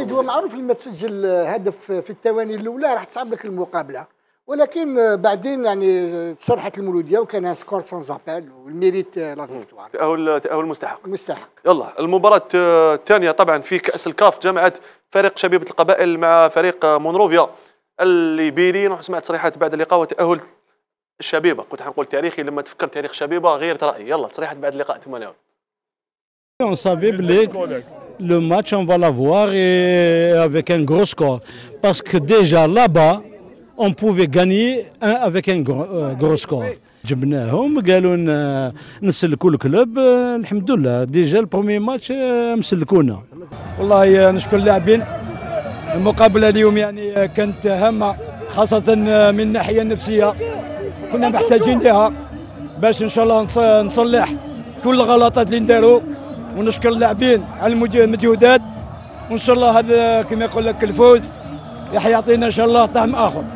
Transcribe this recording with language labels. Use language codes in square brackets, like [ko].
[ar] يزيد هو معروف لما تسجل هدف في الثواني الاولى راح تصعب لك المقابله، ولكن بعدين يعني تصرحت المولوديه وكان سكور [fr] سان زابيل والميريت لا فيكتوار. [ar] تاهل مستحق. مستحق. يلا المباراه الثانيه طبعا في كاس الكاف، جمعت فريق شبيبه القبائل مع فريق مونروفيا الليبيري. نروح نسمع تصريحات بعد اللقاء وتاهل الشبيبه. كنت حنقول تاريخي، لما تفكر تاريخ الشبيبه غيرت رايي. يلا تصريحات بعد اللقاء. [fr] On savait que le match, on va l'avoir avec un gros score. Parce que déjà là-bas, on pouvait gagner avec un gros score. [ar] جبناهم قالوا نسلكوا الكلوب، الحمد لله [fr] ديجا البرومير ماتش [ar] مسلكونا. والله نشكر اللاعبين، المقابله اليوم يعني كانت هامه خاصه من الناحيه النفسيه، كنا محتاجين لها باش ان شاء الله نصلح كل الغلطات اللي نداروا، ونشكر اللاعبين على المجهودات، وان شاء الله هذا كما يقول لك الفوز راح يعطينا ان شاء الله طعم اخر.